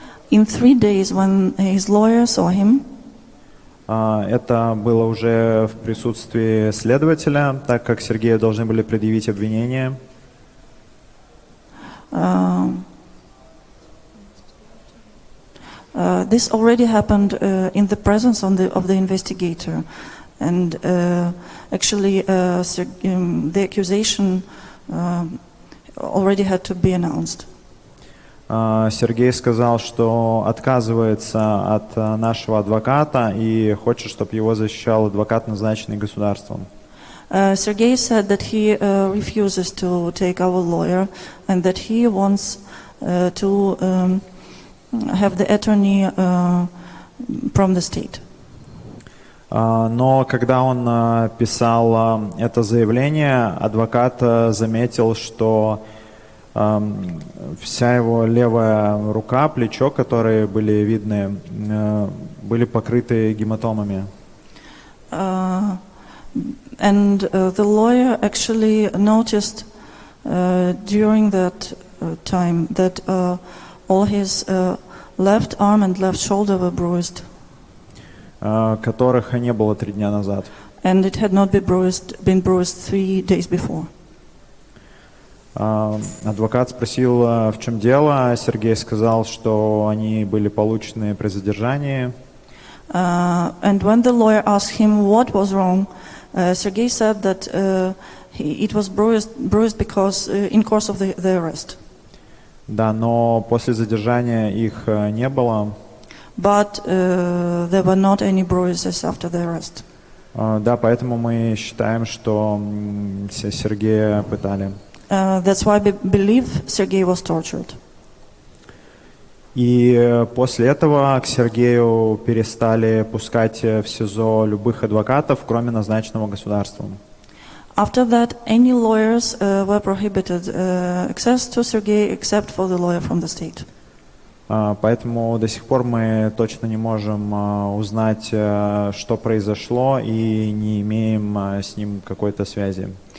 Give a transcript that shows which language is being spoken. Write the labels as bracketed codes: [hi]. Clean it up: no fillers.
[en] in three days when his lawyer saw him, [ru] Это было уже в присутствии следователя, так как Сергею должны были предъявить обвинение. [en] This already happened in the presence on the, of the investigator, and actually the accusation already had to be announced. [ru] Сергей сказал, что отказывается от нашего адвоката и хочет, чтобы его защищал адвокат, назначенный государством. [en] Сергей said that he refuses to take our lawyer and that he wants to have the attorney from the state. [ru] Но когда он писал это заявление, адвокат заметил, что вся его левая рука, плечо, которые были видны, были покрыты гематомами. [en] And the lawyer actually noticed during that time that all his left arm and left shoulder were bruised. [ru] Которых не было 3 дня назад. [en] And it had not been bruised 3 days before. [ru] Адвокат спросил, в чем дело. Сергей сказал, что они были получены при задержании. [en] And when the lawyer asked him what was wrong, Сергей said that it was bruised because in course of the arrest. [ru] Да, но после задержания их не было. [en] But there were not any bruises after the arrest. [ru] Да, поэтому мы считаем, что Сергея пытали. [en] That's why we believe Sergei was tortured. [ru] И после этого к Сергею перестали пускать в СИЗО любых адвокатов, кроме назначенного государством. [en] After that, any lawyers were prohibited access to Sergei except for the lawyer from the state. [ru] Поэтому до сих пор мы точно не можем узнать, что произошло, и не имеем с ним какой-то связи.